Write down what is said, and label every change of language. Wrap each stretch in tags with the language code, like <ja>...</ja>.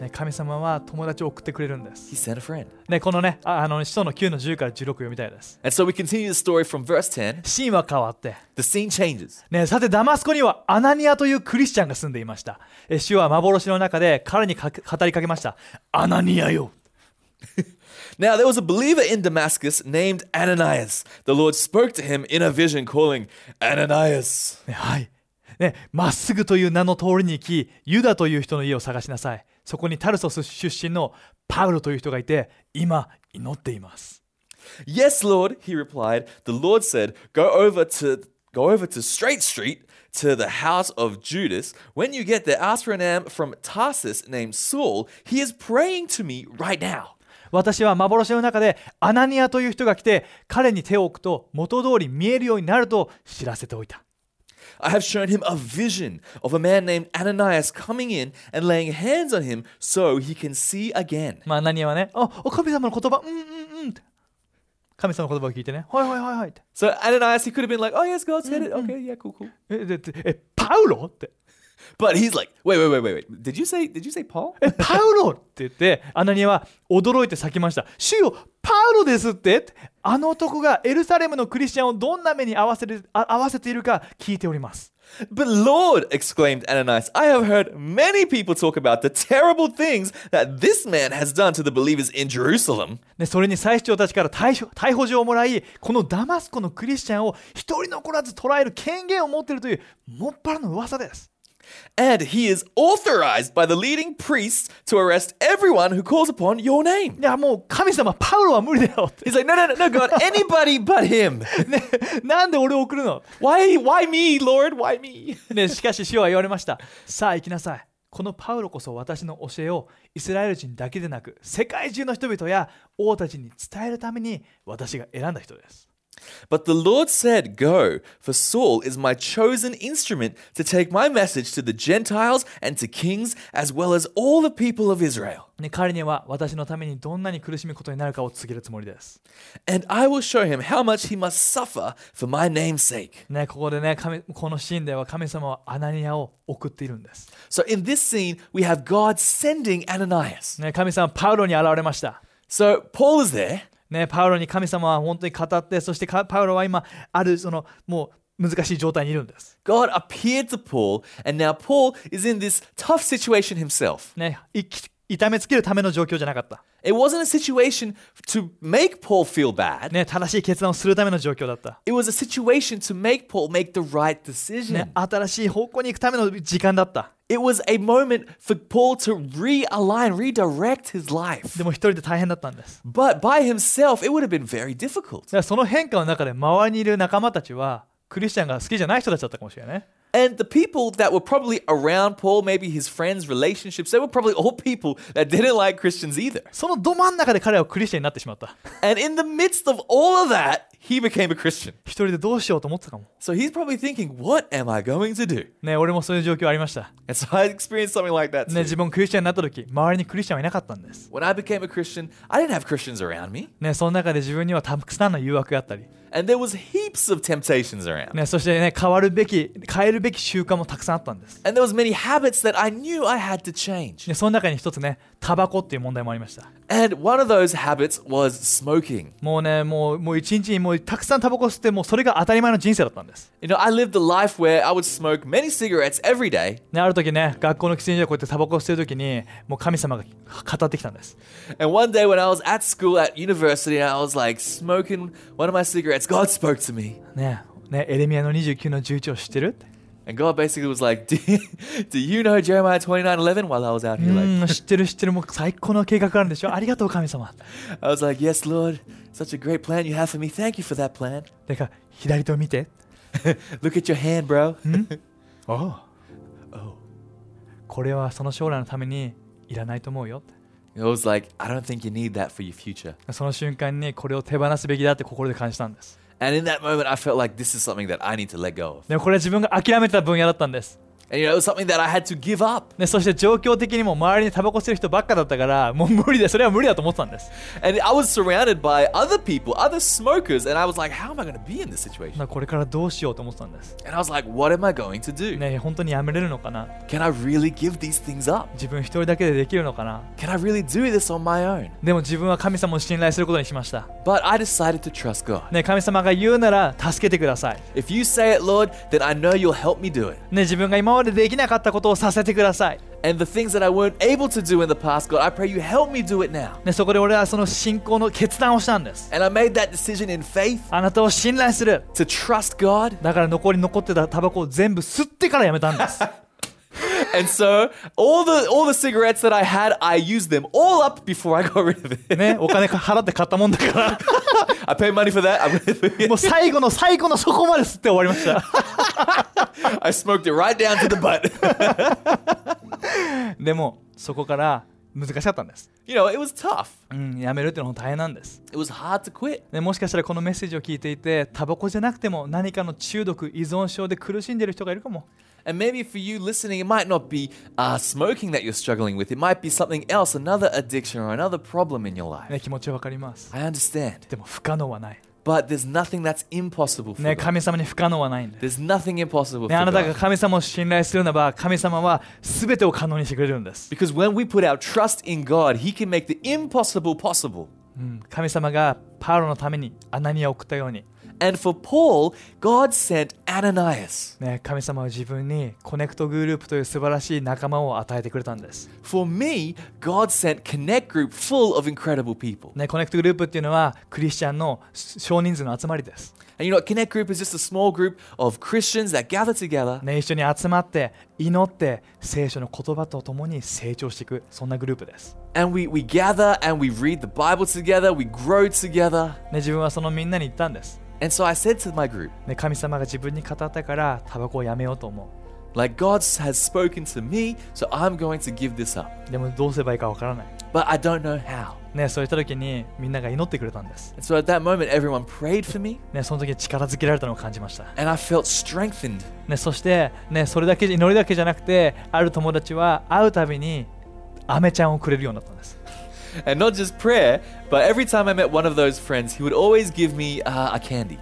<ja>ね、神様は友達を送ってくれるんです。</ja> <en>He sent a friend.</en> <ja>ね、このね、あの使徒の9の10から16読みたいです。</ja> <en>And so we continue the story from verse 10.</en> <ja>シーンは変わって。</ja> <en>The scene changes.</en> <ja>ね、さてダマスコにはアナニアというクリスチャンが住んでいました。主は幻の中で彼に語りかけました。アナニアよ。</ja> <en>Now there was a believer in Damascus named Ananias. The Lord spoke to him in a vision, calling Ananias.</en> <ja>はい。ね、まっすぐという名の通りに行き、ユダという人の家を探しなさい。そこにタルソス出身のパウロという人がいて、今祈っています。</ja> <en>Yes, Lord, he replied. The Lord said, go over to Straight Street to the house of Judas. When you get there, ask for an man from Tarsus named Saul. He is praying to me right now.</en> <ja>私は幻の中でアナニアという人が来て彼に手を置くと元通り見えるようになると知らせておいた。</ja> <en>I have shown him a vision of a man named Ananias coming in and laying hands on him so he can see again.</en> <ja>まあアナニアはね、お神様の言葉、神様の言葉を聞いてね、はい。</ja> <en>So Ananias, he could have been like, oh yes, God said it. Okay, yeah, cool.</en> <ja>パウロって。</ja> <en>But he's like, wait. Did you say Paul?</en> <ja>パウロって言って、アナニアは驚いて叫びました。主よ、パウロですって。あの男がエルサレムのクリスチャンをどんな目に合わせているか聞いております。</ja> <en>But Lord, exclaimed Ananias, I have heard many people talk about the terrible things that this man has done to the believers in Jerusalem.</en> <ja>ね、それに祭司長たちから逮捕状をもらい、このダマスコのクリスチャンを一人残らず捕らえる権限を持っているというもっぱらの噂です。</ja> <en>And he is authorized by the leading priests to arrest everyone who calls upon your name.</en> <ja>いやもう神様、パウロは無理だよ。</ja> <en>He's like, no, God, anybody but him.</en> <ja>ね、なんで俺を送るの?</ja> <en>Why me, Lord? Why me?</en> <ja>ね、しかし主は言われました。さあ行きなさい。このパウロこそ私の教えをイスラエル人だけでなく世界中の人々や王たちに伝えるために私が選んだ人です。</ja> <en>But the Lord said, Go, for Saul is my chosen instrument to take my message to the Gentiles and to kings, as well as all the people of Israel.、</en> <ja>ね、彼には私のためにどんなに苦しむことになるかを告げるつもりです。</ja> <en>And I will show him how much he must suffer for my name's sake.、</en> <ja>ね、ここでね、このシーンでは神様はアナニアを送っているんです。</ja> <en>So in this scene, we have God sending Ananias.、</en> <ja>ね、神様はパウロに現れました。</ja> <en>So Paul is there.</en> <ja>ね、パウロに神様は本当に語って、そしてパウロは今あるそのもう難しい状態にいるんです。</ja> <en>God appeared to Paul, and now Paul is in this tough situation himself.</en> <ja>ね、痛めつけるための状況じゃなかった。</ja> <en>It wasn't a situation to make Paul feel bad.</en> <ja>ね、正しい決断をするための状況だった。</ja> <en>It was a situation to make Paul make the right decision.</en> <ja>ね、新しい方向に行くための時間だった。</ja> <en>It was a moment for Paul to realign, redirect his life.</en> <ja>でも一人で大変だったんです。</ja> <en>But by himself, it would have been very difficult.</en> <ja>その変化の中で周りにいる仲間たちはクリスチャンが好きじゃない人たちだったかもしれない。</ja> <en>And the people that were probably around Paul, maybe his friends, relationships, they were probably all people that didn't like Christians either.</en> <ja>そのど真ん中で彼はクリスチャンになってしまった。</ja> <en>And in the midst of all of that, he became a Christian.</en> <ja>一人でどうしようと思ったかも。</ja> <en>So he's probably thinking, what am I going to do?</en> <ja>ね、俺もそういう状況ありました。</ja> <en>And so I experienced something like that too.</en> <ja>ね、自分クリスチャンになった時、周りにクリスチャンはいなかったんです。</ja> <en>When I became a Christian, I didn't have Christians around me.</en> <ja>ね、その中で自分にはたくさんの誘惑があったり。</ja> <en>And there was heaps of temptations around.</en> <ja>ね、そしてね、変わるべき、変えるべき習慣もたくさんあったんです。</ja> <en>And there was many habits that I knew I had to change.</en> <ja>ね、その中に一つね、タバコっていう問題もありました。</ja> <en>And one of those habits was smoking.</en> <ja>もうね、もう一日にもうたくさんタバコ吸って、もうそれが当たり前の人生だったんです。</ja> <en>You know, I lived a life where I would smoke many cigarettes every day.</en> <ja>ね、ある時ね、学校の喫煙所でこうやってタバコ吸ってる時に、もう神様が語ってきたんです。</ja> <en>And one day when I was at school at university, and I was like smoking one of my cigarettes, God spoke to me.</en> <ja>ね、ね、エレミアの29の11を知ってる？</ja> <en>And God basically was like, do you know Jeremiah 29:11 while I was out here? Like,</en> <ja>知ってる知ってる、もう最高の計画あるんでしょ、ありがとう神様。</ja> <en>I was like, yes, Lord, such a great plan you have for me. Thank you for that plan.</en> <ja>てか、左手を見て。</ja> <en>Look at your hand, bro. Oh.</en> <ja>これはその将来のためにいらないと思うよ。</ja> <en>I was like, I don't think you need that for your future.</en> <ja>その瞬間にこれを手放すべきだって心で感じたんです。</ja> <en>And in that moment, I felt like this is something that I need to let go of.</en> <ja>でもこれは自分が諦めた分野だったんです。</ja> <en>And you know, it was something that I had to give up.</en> <ja>ね、そして状況的にも周りにタバコ吸ってる人ばっかだったから、もう無理だ、それは無理だと思ったんです。</ja> <en>And I was surrounded by other people, other smokers, and I was like, how am I going to be in this situation?</en> <ja>これからどうしようと思ったんです。</ja> <en>And I was like, what am I going to do?</en> <ja>ね、本当にやめれるのかな？</ja> <en>Can I really give these things up?</en> <ja>自分一人だけでできるのかな？</ja> <en>Can I really do this on my own?</en> <ja>でも自分は神様を信頼することにしました。</ja> <en>But I decided to trust God.</en> <ja>ね、神様が言うなら助けてください。</ja> <en>If you say it, Lord, then I know you'll help me do it.</en> <ja>ね、自分が今までできなかったことをさせてください。</ja> <en>And the things that I weren't able to do in the past, God, I pray you help me do it now.</en> <ja>ね、そこで俺はその信仰の決断をしたんです。</ja> <en>And I made that decision in faith.</en> <ja>あなたを信頼する。</ja> <en>To trust God.</en> <ja>だから残ってたタバコを全部吸ってからやめたんです。</ja> <en>And so, all the cigarettes that I had, I used them all up before I got rid of it.</en> <ja>ね、お金払って買ったもんだから。</ja> <en>I paid money for that.</en> <ja>もう最後の最後のそこまで吸って終わりました。</ja> <en>I smoked it right down to the butt.</en> <ja>でもそこから難しかったんです。</ja> <en>You know, it was tough.</en> <ja>うん、やめるってのも大変なんです。</ja> <en>It was hard to quit.</en> <ja>で、もしかしたらこのメッセージを聞いていて、タバコじゃなくても何かの中毒、依存症で苦しんでる人がいるかも。</ja> <en>And maybe for you listening, it might not be smoking that you're struggling with. It might be something else, another addiction or another problem in your life.</en> <ja>ね、気持ちわかります。</ja> <en>I understand.</en> <ja>でも不可能はない。</ja> <en>But there's nothing that's impossible for God.</en> <ja>神様に不可能はないんです。</ja> <en>There's nothing impossible for God.</en> <ja>あなたが神様を信頼するならば、神様は全てを可能にしてくれるんです。</ja> <en>Because when we put our trust in God, He can make the impossible possible.</en> <ja>神様がパウロのためにアナニアを送ったように。</ja> <en>And for Paul, God sent Ananias.</en> <ja>神様は自分にコネクトグループという素晴らしい仲間を与えてくれたんです。</ja> <en>For me, God sent Connect Group full of incredible people.</en> <ja>コネクトグループっていうのはクリスチャンの少人数の集まりです。</ja> <en>And you know, Connect Group is just a small group of Christians that gather together.</en> <ja>一緒に集まって祈って聖書の言葉とともに成長していく、そんなグループです。</ja> <en>And we gather and we read the Bible together, we grow together.</en> <ja>自分はそのみんなに言ったんです。</ja> <en>And so I said to my group,</en> <ja>神様が自分に語ったからタバコをやめようと思う。</ja> <en>Like God has spoken to me, so I'm going to give this up.</en> <ja>でもどうすればいいかわからない。</ja> <en>But I don't know how.</en> <ja>ね、そういった時にみんなが祈ってくれたんです。</ja> <en>And so at that moment, everyone prayed for me.</en> <ja>ね、その時力づけられたのを感じました。</ja> <en>And I felt strengthened.</en> <ja>ね、そしてね、それだけ祈りだけじゃなくて、ある友達は会うたびにアメちゃんをくれるようになったんです。</ja> <en>And not just prayer, but every time I met one of those friends, he would always give me a candy.</en>